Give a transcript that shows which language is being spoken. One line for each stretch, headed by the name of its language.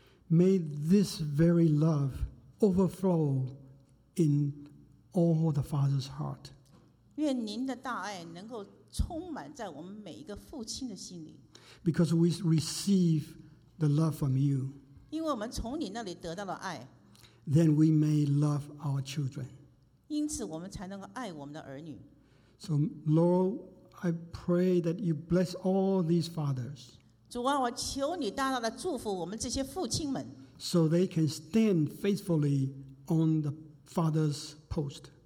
English: may this very love overflow in all the Father's heart.
Chinese: 愿您的大爱能够充满在我们每一个父亲的心里,
English: because we receive the love from you,
Chinese: 因为我们从你那里得到了爱,
English: then we may love our children.
Chinese: 因此我们才能够爱我们的儿女。
English: So Lord, I pray that you bless all these fathers.
Chinese: 主啊, 我求你大大地祝福我们这些父亲们。
English: So they can stand faithfully on the father's post.